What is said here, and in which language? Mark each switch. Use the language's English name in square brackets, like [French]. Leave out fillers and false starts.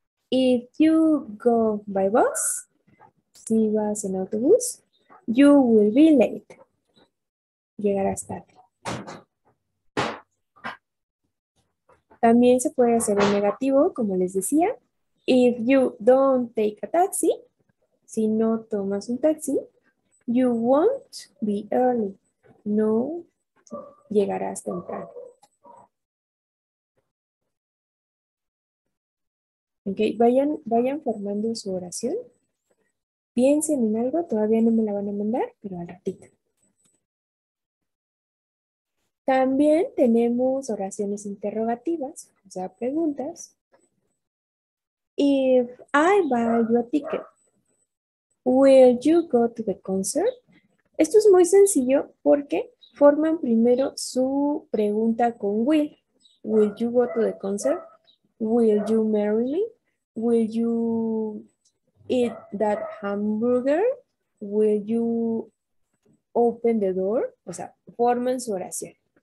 [English] If you go by bus, [Spanish] si vas en autobús, [English] you will be late. [Spanish] Llegarás También se puede hacer en negativo, como les decía. [English] If you don't take a taxi, [Spanish] si no tomas un taxi, [English] you won't be early. [Spanish] No llegarás temprano. Vayan formando su oración. Piensen en algo, todavía no me la van a mandar, pero al ratito. También tenemos oraciones interrogativas, o sea, preguntas. [English] If I buy you a ticket, will you go to the concert? [Spanish] Esto es muy sencillo porque forman primero su pregunta con will. [English] Will you go to the concert? Will you marry me? Will you eat that hamburger? Will you open the door? [Spanish] O sea, forman su oración.